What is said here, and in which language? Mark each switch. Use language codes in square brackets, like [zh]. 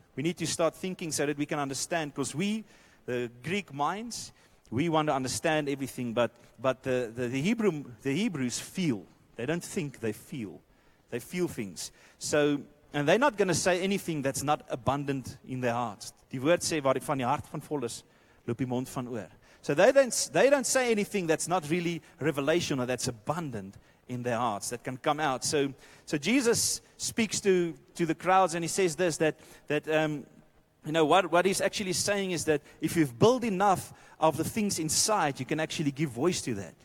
[en] We need to start thinking so that we can understand. Because we, the Greek minds, we want to understand everything. But the Hebrews feel. They don't think, they feel. They feel things. So, and they're not going to say anything that's not abundant in their hearts. [af] Die woord sê, waar van die hart van vol is, loop die mond van oor. [en] So they don't say anything that's not really revelation or that's abundant in their hearts, that can come out. So Jesus speaks to the crowds and he says this, what he's actually saying is that if you've built enough of the things inside, you can actually give voice to that.